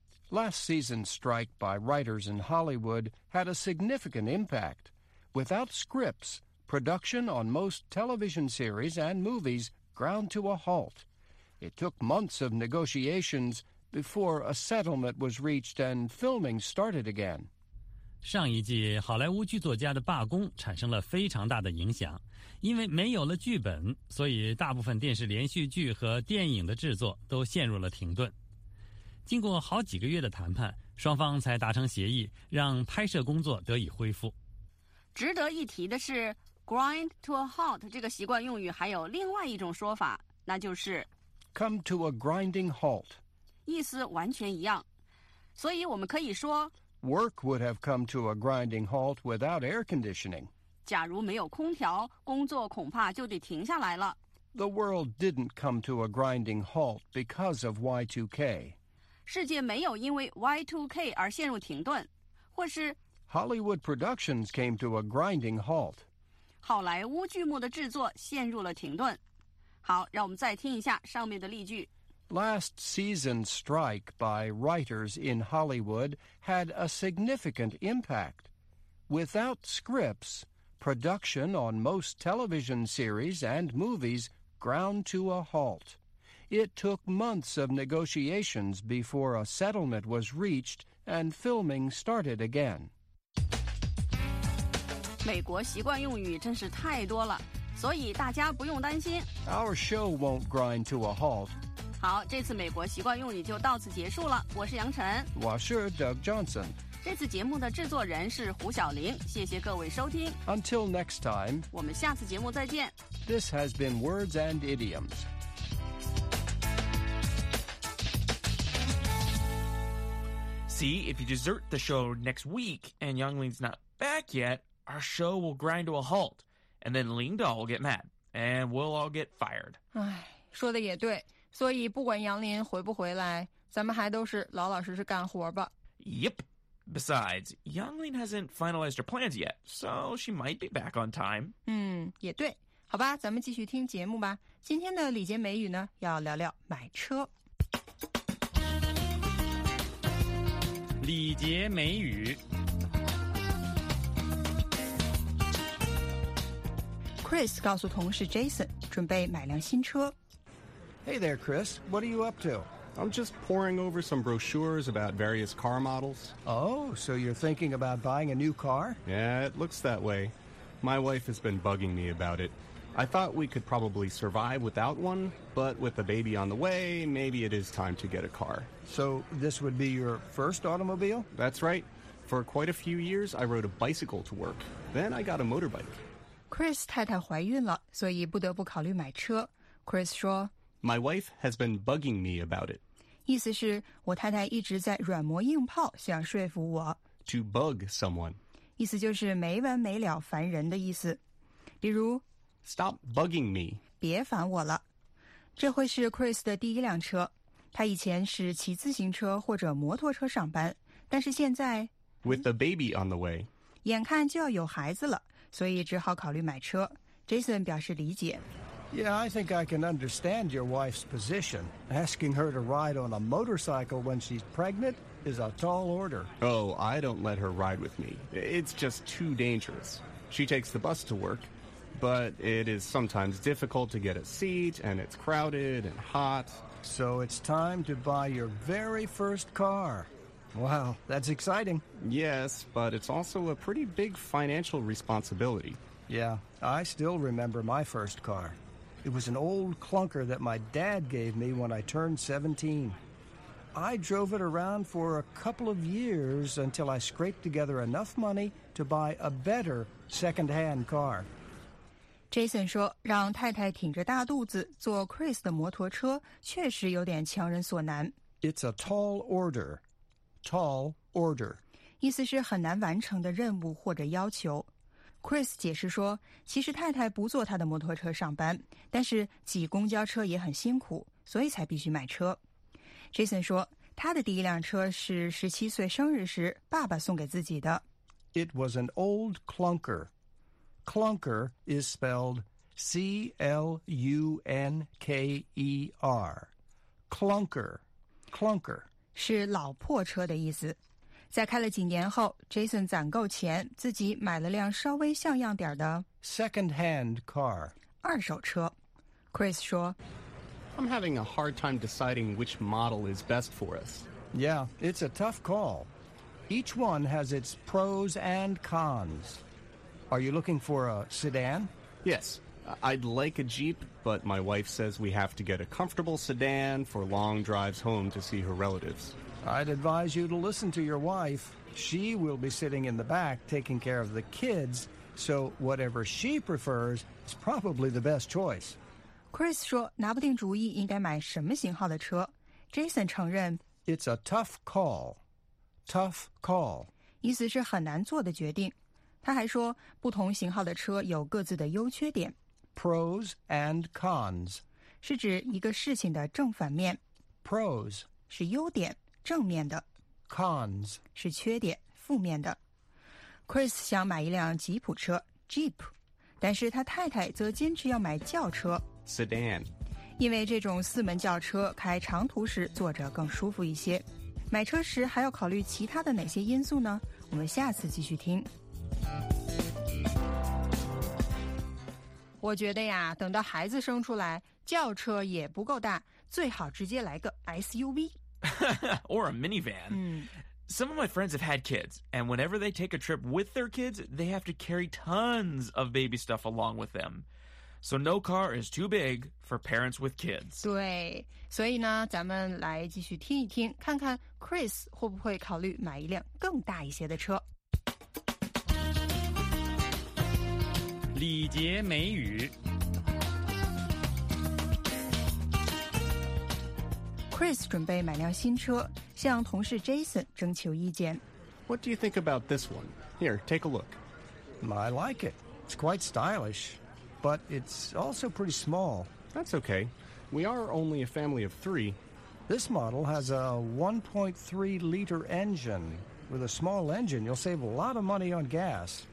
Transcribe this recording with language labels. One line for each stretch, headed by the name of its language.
English: Last season's strike by writers in Hollywood had a significant impact. Without scripts, production on most television series and movies ground to a halt. It took months of negotiations before a settlement was reached and filming started again.
Chinese: 上一季好莱坞剧作家的罢工产生了非常大的影响，因为没有了剧本，所以大部分电视连续剧和电影的制作都陷入了停顿。经过好几个月的谈判，双方才达成协议，让拍摄工作得以恢复。值得一提的是
English: grind to a halt
Chinese: 这个习惯用语还有另外一种说法，那就是
English: come to a grinding halt，
Chinese: 意思完全一样，所以我们可以说
English: Work would have come to a grinding halt without air conditioning.
Chinese: 假如没有空调，工作恐怕就得停下来了。
English: The world didn't come to a grinding halt because of Y2K.
Chinese: 世界没有因为 Y2K 而陷入停顿，或是
English: Hollywood productions came to a grinding halt.
Chinese: 好莱坞剧目的制作陷入了停顿。好，让我们再听一下上面的例句。
English: Last season's strike by writers in Hollywood had a significant impact. Without scripts, production on most television series and movies ground to a halt. It took months of negotiations before a settlement was reached and filming started again.
Chinese: 美国习惯用语真是太多了，所以大家不用担心。
English: Our show won't grind to a halt.
Chinese: 好，这次美国习惯用语就到此结束了。我是杨晨，我是 Doug Johnson。这次节目的制作人是胡晓玲，谢谢各位收听。
English: Until next time，
Chinese: 我们下次节目再见。
English: This has been Words and Idioms。 See if you desert the show next week and Youngling's not back yet, our show will grind to a halt, and then Ling Dao will get mad, and we'll all get fired。
Chinese: 哎，说的也对。所以不管杨林回不回来，咱们还都是老老实实干活吧。
English: Yep. Besides, Yang Lin hasn't finalized her plans yet, so she might be back on time.
Chinese: 也对。好吧，咱们继续听节目吧。今天的礼节美语呢，要聊聊买车。礼节美语。 Chris 告诉同事 Jason， 准备买辆新车。
English: Hey there, Chris. What are you up to? I'm just poring over some brochures about various car models. Oh, so you're thinking about buying a new car? Yeah, it looks that way. My wife has been bugging me about it. I thought we could probably survive without one, but with a baby on the way, maybe it is time to get a car. So this would be your first automobile? That's right. For quite a few years, I rode a bicycle to work. Then I got a motorbike.
Chinese: Chris 太太怀孕了，所以不得不考虑买车。 Chris 说
English: My wife has been bugging me about it.
Chinese: 意思是我太太一直在软磨硬泡想说服我。
English: To bug someone.
Chinese: 意思就是没完没了烦人的意思。比如
English: Stop bugging me.
Chinese: 别烦我了。这会是 Chris 的第一辆车。他以前是骑自行车或者摩托车上班。但是现在
English: With a baby on the way.
Chinese: 眼看就要有孩子了，所以只好考虑买车。 Jason 表示理解。
English: Yeah, I think I can understand your wife's position. Asking her to ride on a motorcycle when she's pregnant is a tall order. Oh, I don't let her ride with me. It's just too dangerous. She takes the bus to work, but it is sometimes difficult to get a seat, and it's crowded and hot. So it's time to buy your very first car. Wow, that's exciting. Yes, but it's also a pretty big financial responsibility. Yeah, I still remember my first car. It was an old clunker that my dad gave me when I turned 17. I drove it around for a couple of years until I scraped together enough money to buy a better second-hand car.
Chinese: Jason 说，让太太挺着大肚子坐 Chris 的摩托车确实有点强人所难。
English: It's a tall order. Tall order.
Chinese: 意思是很难完成的任务或者要求。Chris 解释说，其实太太不坐他的摩托车上班，但是挤公交车也很辛苦，所以才必须买车。 Jason 说，他的第一辆车是17岁生日时爸爸送给自己的。
English: It was an old clunker. Clunker is spelled C-L-U-N-K-E-R. Clunker, clunker.
Chinese: 是老破车的意思。在开了几年后 ,Jason 攒够钱自己买了辆稍微像样点的
English: Second-hand car.
Chinese: 二手车。Chris 说
English: I'm having a hard time deciding which model is best for us. Yeah, it's a tough call. Each one has its pros and cons. Are you looking for a sedan? Yes, I'd like a Jeep, but my wife says we have to get a comfortable sedan for long drives home to see her relatives. I'd advise you to listen to your wife. She will be sitting in the back taking care of the kids, so whatever she prefers is probably the best choice.
Chinese: Chris 说拿不定主意应该买什么型号的车。 Jason 承认
English: It's a tough call. Tough call.
Chinese: 意思是很难做的决定。他还说不同型号的车有各自的优缺点。
English: Pros and cons.
Chinese: 是指一个事情的正反面。
English: Pros
Chinese: 是优点。正面的
English: cons
Chinese: 是缺点负面的 Chris 想买一辆吉普车 Jeep 但是他太太则坚持要买轿车
English: Sedan
Chinese: 因为这种四门轿车开长途时坐着更舒服一些买车时还要考虑其他的哪些因素呢我们下次继续听我觉得呀等到孩子生出来轿车也不够大最好直接来个 SUV
English: Or a minivan. Some of my friends have had kids, and whenever they take a trip with their kids, they have to carry tons of baby stuff along with them. So no car is too big for parents with kids.
Chinese: 对，所以呢，咱们来继续听一听，看看 Chris 会不会考虑买一辆更大一些的车。礼节美语 Chris 准备买辆新车，向同事 Jason 征求意见。
English: What do you think about this one? Here, take a look. I like it. It's quite stylish, but it's also pretty small. That's okay. We are only a family of three. This model has a 1.3-liter engine. With a small engine, you'll save a lot of money on gas.